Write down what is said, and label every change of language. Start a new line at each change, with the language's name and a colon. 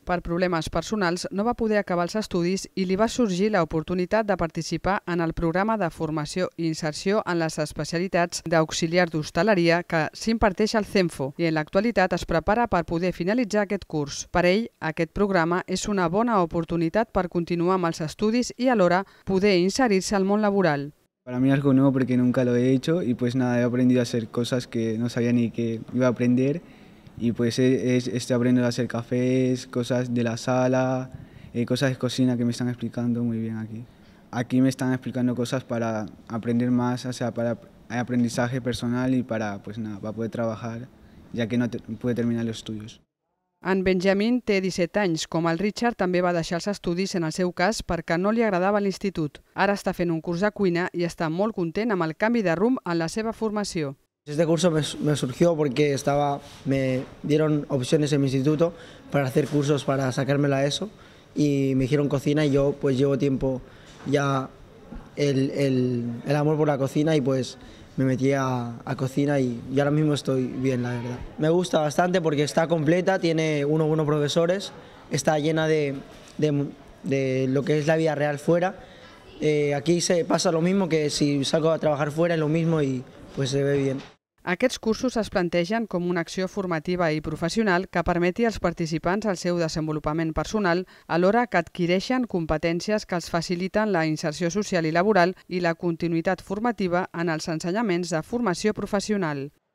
Catalan: Per problemes personals no va poder acabar els estudis i li va sorgir l'oportunitat de participar en el programa de formació i inserció en les especialitats d'auxiliar d'hostaleria que s'imparteix al CEMFO i en l'actualitat es prepara per poder finalitzar aquest curs. Per ell, aquest programa és una bona oportunitat per continuar amb els estudis i alhora poder inserir-se al món laboral.
Spanish: Para mí es algo nuevo porque nunca lo he hecho y pues nada, he aprendido a hacer cosas que no sabía ni que iba a aprender. Y pues estoy aprendiendo a hacer cafés, cosas de la sala, cosas de cocina que me están explicando muy bien aquí. Aquí me están explicando cosas para aprender más, o sea, para el aprendizaje personal y para, pues nada, para poder trabajar, ya que no pude terminar los estudios.
Catalan: En Benjamín té 17 anys, com el Richard també va deixar els estudis en el seu cas perquè no li agradava l'institut. Ara està fent un curs de cuina i està molt content amb el canvi de rumb en la seva formació.
Spanish: Este curso me surgió porque me dieron opciones en mi instituto para hacer cursos para sacarme la ESO y me dijeron cocina y yo pues llevo tiempo ya el amor por la cocina y pues me metí a cocina y ahora mismo estoy bien, la verdad. Me gusta bastante porque está completa, tiene unos buenos profesores, está llena de lo que es la vida real fuera. Aquí se pasa lo mismo que si salgo a trabajar fuera, es lo mismo y pues se ve bien.
Catalan: Aquests cursos es plantegen com una acció formativa i professional que permeti als participants el seu desenvolupament personal, alhora que adquireixen competències que els faciliten la inserció social i laboral i la continuïtat formativa en els ensenyaments de formació professional.